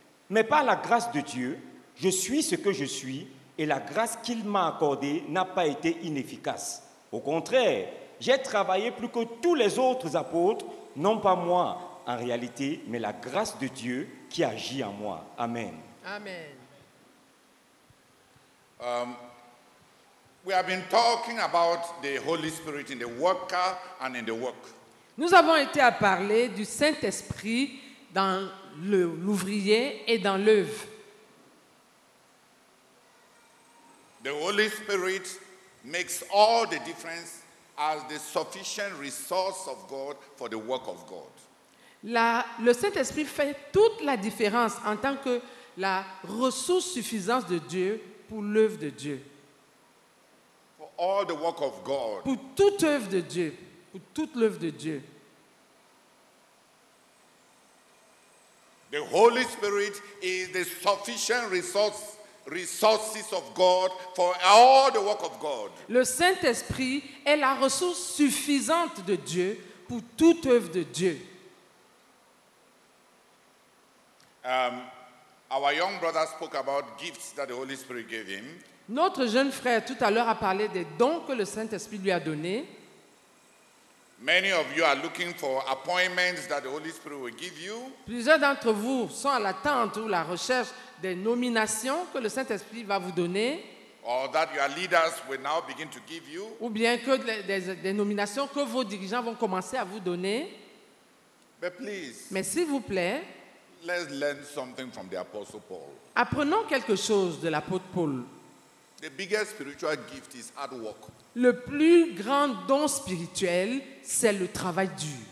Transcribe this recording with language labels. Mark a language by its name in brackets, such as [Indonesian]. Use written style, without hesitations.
[French] Mais par la grâce de Dieu, je suis ce que je suis, et la grâce qu'il m'a accordée n'a pas été inefficace. Au contraire, j'ai travaillé plus que tous les autres apôtres, non pas moi en réalité, mais la grâce de Dieu qui agit en moi. Amen. Amen. [English] We have been talking about the Holy Spirit in the worker and in the work. [French] Nous avons été à parler du Saint-Esprit dans l'ouvrier et dans l'œuvre. [English] The Holy Spirit makes all the difference as the sufficient resource of God for the work of God. [French] Le Saint-Esprit fait toute la différence en tant que la ressource suffisante de Dieu pour l'œuvre de Dieu. [English] For all the work of God. [French] Pour toute œuvre de Dieu. Pour toute l'œuvre de Dieu. [English] The Holy Spirit is the sufficient resources of God for all the work of God. [French] Le Saint-Esprit est la ressource suffisante de Dieu pour toute œuvre de Dieu. [English] Our young brother spoke about gifts that the Holy Spirit gave him. [French] Notre jeune frère tout à l'heure a parlé des dons que le Saint-Esprit lui a donnés. [English] Many of you are looking for appointments that the Holy Spirit will give you. [French] Plusieurs d'entre vous sont à l'attente ou à la recherche des nominations que le Saint-Esprit va vous donner. [English] Or that your leaders will now begin to give you. [French] Ou bien que des nominations que vos dirigeants vont commencer à vous donner. [English] But please. [French] Mais s'il vous plaît. [English] Let's learn something from the Apostle Paul. [French] Apprenons quelque chose de l'apôtre Paul. [English] The biggest spiritual gift is hard work. [French] Le plus grand don spirituel, c'est le travail dur.